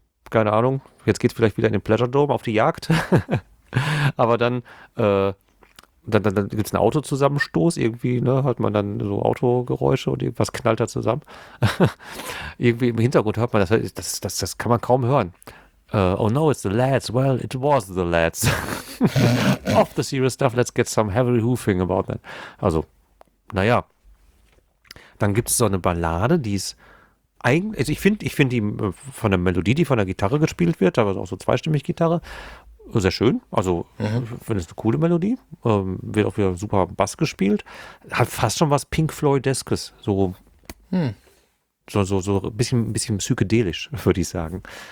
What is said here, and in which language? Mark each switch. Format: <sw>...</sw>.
<de>Keine Ahnung, jetzt geht es vielleicht wieder in den Pleasure Dome auf die Jagd. Aber dann gibt es einen Autozusammenstoß irgendwie, ne? Hört man dann so Autogeräusche und irgendwas knallt da zusammen. Irgendwie im Hintergrund hört man das, das kann man kaum hören.</de> <en>Oh no, it's the lads. Well, it was the lads. Off the serious stuff, let's get some heavy hoofing about that.</en> <de>Also, naja. Dann gibt es so eine Ballade, die ist eigentlich, also ich finde die von der Melodie, die von der Gitarre gespielt wird, aber auch so zweistimmig Gitarre, sehr schön. Also finde es eine coole Melodie. Wird auch wieder super Bass gespielt. Hat fast schon was Pink Floyd-eskes. So, so ein bisschen psychedelisch, würde ich sagen.</de>